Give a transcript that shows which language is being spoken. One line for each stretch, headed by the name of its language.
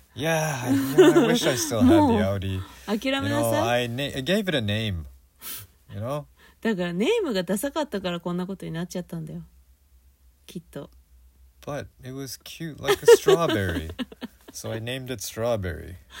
English: Yeah, I wish I still had the Audi.
Japanese: 諦めなさい。
English: You know, I gave it a name. You know?
Japanese: だからネームがダサかったからこんなことになっちゃったんだよ、きっと。
English: But it was cute, like a strawberry. So I named it strawberry.